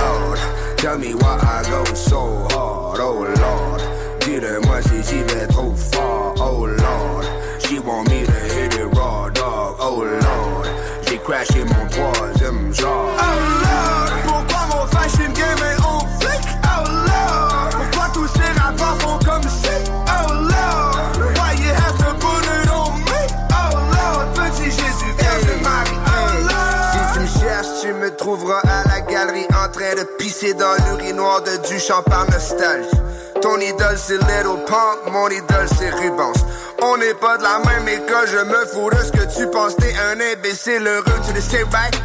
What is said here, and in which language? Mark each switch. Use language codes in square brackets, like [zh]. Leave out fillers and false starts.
[en] Oh Lord, tell me why I go so hard. Oh Lord, [fr] dis-le-moi si j'y vais trop fort. [en] Oh Lord, she want me to hit it raw dog. [fr] Oh Lord, j'ai crashé mon troisième jar. Oh Lord, pourquoi mon fashion game est on flic? Oh Lord, pourquoi tous ces rappeurs font comme si? [en] Oh Lord, why you have to put it on me? [fr] Oh Lord, petit Jésus, Vierge Marie. Oh Lord, si tu me cherches, tu me trouveras à la galerie en train de pisser dans l'urinoir de Duchamp par nostalgie. Ton idole c'est Little Pump, mon idole c'est Rubens. On n'est pas de la même école, je me fous de ce que tu penses. T'es un imbécile heureux, tu le sais, right?